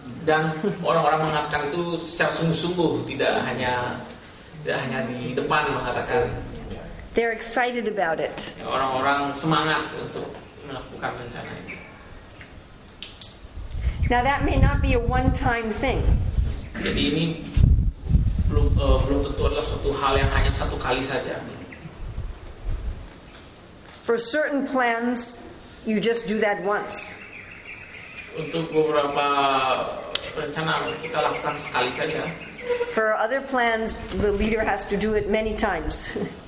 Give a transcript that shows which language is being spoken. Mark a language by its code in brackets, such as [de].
[id] Dan orang-orang mengatakan itu secara sungguh-sungguh, tidak hanya di depan mengatakan. [en] They're excited about it. [id] Orang-orang semangat untuk melakukan rencana ini. [en] Now that may not be a one-time thing. [id] Jadi ini belum tentu adalah suatu hal yang hanya satu kali saja. [en] For certain plans, you just do that once. [id] Untuk beberapa rencana kita lakukan sekali saja. [en] For other plans, the leader has to do it many times.